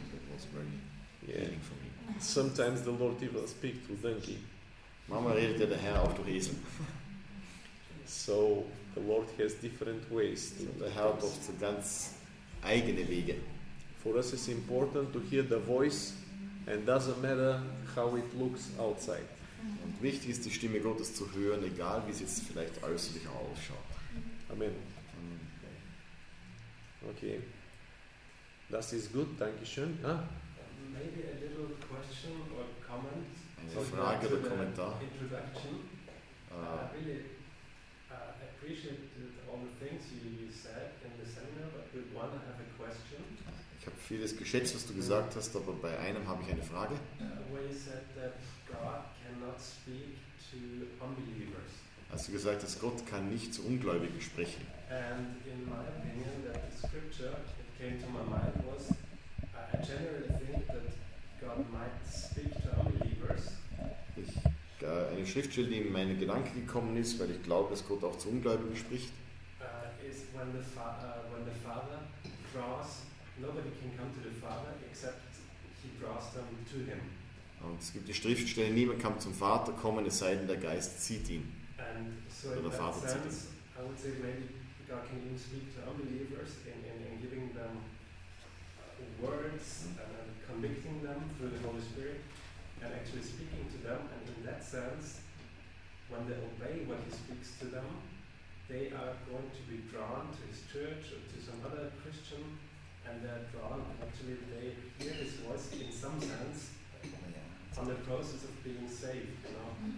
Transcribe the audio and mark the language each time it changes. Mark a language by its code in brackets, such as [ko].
[en] That was very healing for me. Sometimes the Lord even speaks through donkey. [de] Mama redet der Herr auch durch Esel. [en] So the Lord has different ways. [de] Der Herr hat oft ganz eigene Wege. [en] For us it's important to hear the voice and doesn't matter how it looks outside. [de] Und wichtig ist, die Stimme Gottes zu hören, egal wie es jetzt vielleicht äußerlich ausschaut. Amen. Okay, das ist gut, danke schön. Ah. [en] Maybe a little question or comment. [de] Eine Frage oder Kommentar. [en] Introduction. I really appreciate all the things you said in the seminar, but would want to have a question. [de] Ich habe vieles geschätzt, was du gesagt hast, aber bei einem habe ich eine Frage. [en] Where you said that God cannot speak to unbelievers. [de] Hast du gesagt, dass Gott kann nicht zu Ungläubigen sprechen? [en] And in my opinion, that the scripture that came to my mind was, I generally think that God might speak to unbelievers. [de] Eine Schriftstelle, die in meine Gedanken gekommen ist, weil ich glaube, dass Gott auch zu Ungläubigen spricht. [en] Is when the Father draws, nobody can come to the Father except he draws them to him. [de] Und es gibt die Schriftstelle, niemand kann zum Vater kommen, es sei denn, der Geist zieht ihn. [en] And so in that sense, I would say maybe God can even speak to unbelievers in giving them words and convicting them through the Holy Spirit and actually speaking to them. And in that sense, when they obey what he speaks to them, they are going to be drawn to his church or to some other Christian, and they're drawn, actually they hear his voice in some sense on the process of being saved, you know?